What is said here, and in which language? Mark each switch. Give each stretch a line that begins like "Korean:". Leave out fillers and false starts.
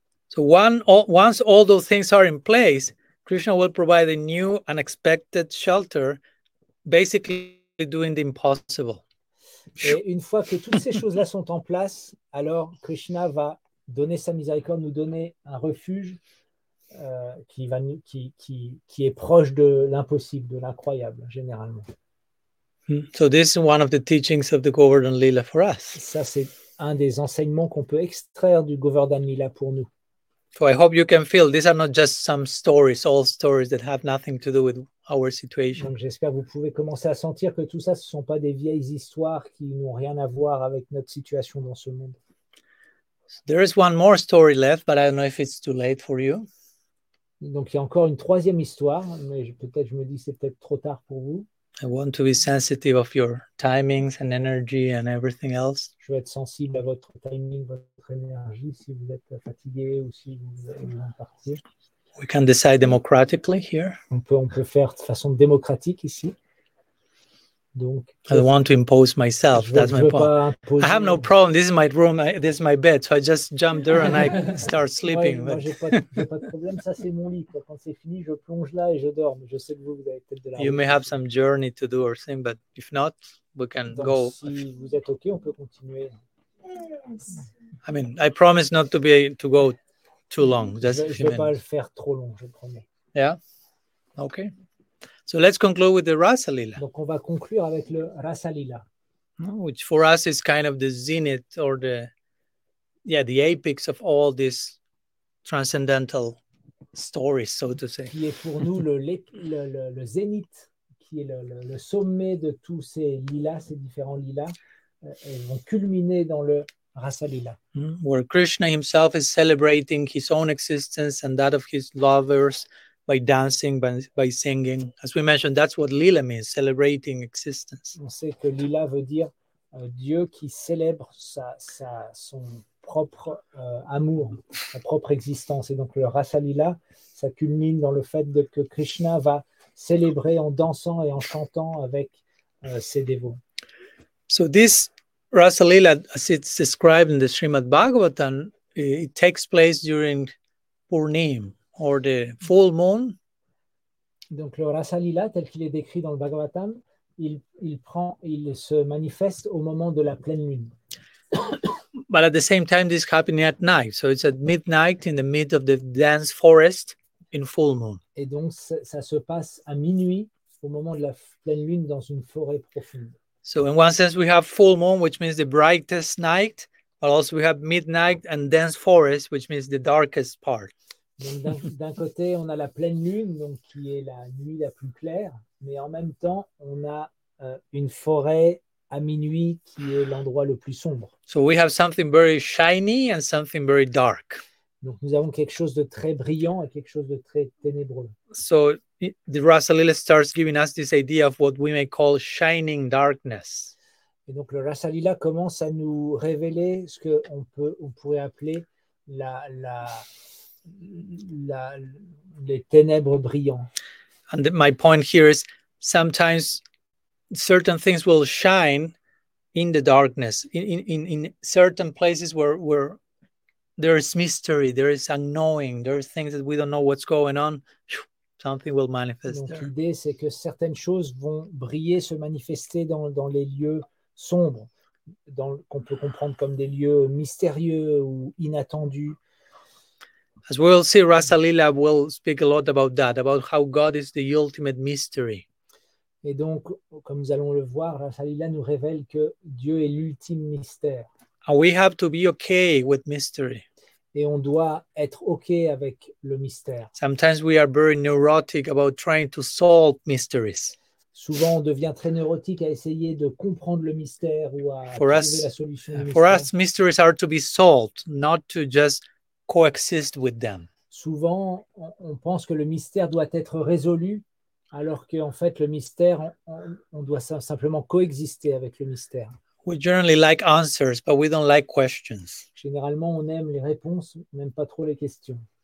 English: So once all those things are in place, Krishna will provide a new unexpected shelter, basically doing the impossible.
French: Et une fois que toutes ces choses-là sont en place, alors Krishna va donner sa miséricorde, nous donner un refuge qui est proche de l'impossible, de l'incroyable, généralement.
English: So this is one of the teachings of the Govardhan Lila for us.
French: Ça, c'est un des enseignements qu'on peut extraire du Govardhan Lila pour nous.
English: So I hope you can feel these are not just some stories, all stories that have nothing to do with our situation.
French: Donc j'espère que vous pouvez commencer à sentir que tout ça, ce ne sont pas des vieilles histoires qui n'ont rien à voir avec notre situation dans ce monde.
English: There is one more story left, but I don't know if it's too late for you.
French: Donc il y a encore une troisième histoire, mais peut-être je me dis c'est peut-être trop tard pour vous.
English: I want to be sensitive of your timings and energy and everything else.
French: Je veux être sensible à votre timing, votre énergie, si vous êtes fatigué ou si vous voulez partir.
English: We can decide democratically here.
French: On peut faire de façon démocratique ici. Donc,
English: I don't want to impose myself. That's my point. I have no problem. This is my room. This is my bed. So I just jump there and I start sleeping.
French: Ouais, j'ai pas de problème. Ça, c'est mon lit. Quand c'est fini, je plonge là et je dors. Je sais que vous avez peut-être de la.
English: You may have some journey to do or something, but if not, we can go.
French: Si vous êtes OK, on peut continuer.
English: I mean, I promise not to be to go too long. Just
French: je vais pas le faire trop long, je promets.
English: Yeah. Okay. So let's conclude with the Rasa Lila.
French: Donc on va conclure avec le Rasa Lila.
English: Which for us is kind of the zenith or the apex of all these transcendental stories, so to say.
French: Qui est pour nous le zénith, qui est le sommet de tous ces lilas, ces différents lilas, et vont culminer dans le Rasa Lila.
English: Where Krishna himself is celebrating his own existence and that of his lovers, by dancing, by singing. As we mentioned, that's what Lila means, celebrating existence.
French: On sait que Lila veut dire Dieu qui célèbre son propre amour, sa propre existence. Et donc le Rasa Lila, ça culmine dans le fait que Krishna va célébrer en dansant et en chantant avec ses dévots.
English: So this Rasa Lila, as it's described in the Srimad Bhagavatam, it takes place during Purnim. Or the full moon.
French: Donc le Rasa Lila, tel qu'il est décrit dans le Bhagavatam, il se manifeste au moment de la pleine lune.
English: But at the same time, this is happening at night. So it's at midnight in the mid of the dense forest in full moon.
French: Et donc, ça se passe à minuit au moment de la pleine lune dans une forêt profonde.
English: So in one sense, we have full moon, which means the brightest night. But also we have midnight and dense forest, which means the darkest part.
French: Donc d'un côté, on a la pleine lune, donc qui est la nuit la plus claire. Mais en même temps, on a une forêt à minuit qui est l'endroit le plus sombre.
English: So we have something very shiny and something very dark.
French: Donc nous avons quelque chose de très brillant et quelque chose de très ténébreux.
English: So the Rasalila starts giving us this idea of what we may call shining darkness.
French: Et donc le Rasalila commence à nous révéler ce que on pourrait appeler les ténèbres brillantes.
English: And my point here is sometimes certain things will shine in the darkness, in certain places where there is mystery, there is unknowing, there are things that we don't know what's going on. Something will manifest.
French: Donc l'idée c'est que certaines choses vont briller, se manifester dans les lieux sombres, qu'on peut comprendre comme des lieux mystérieux ou inattendus.
English: As we will see, Rasalila will speak a lot about that, about how God is the ultimate mystery.
French: Et donc, comme nous allons le voir, Rasalila nous révèle que Dieu est l'ultime mystère.
English: And we have to be okay with mystery.
French: Et on doit être okay avec le mystère.
English: Sometimes we are very neurotic about trying to solve mysteries.
French: Souvent, on devient très neurotique à essayer de comprendre le mystère ou à
English: for
French: trouver
English: us,
French: la solution au mystère.
English: For us, mysteries are to be solved, not to just coexist with them.
French: Souvent, on pense que le mystère doit être résolu, alors que en fait, le mystère, on doit simplement coexister avec le mystère.
English: We generally like answers, but we don't like questions.
French: Généralement, on aime les réponses, on n'aime pas trop les questions.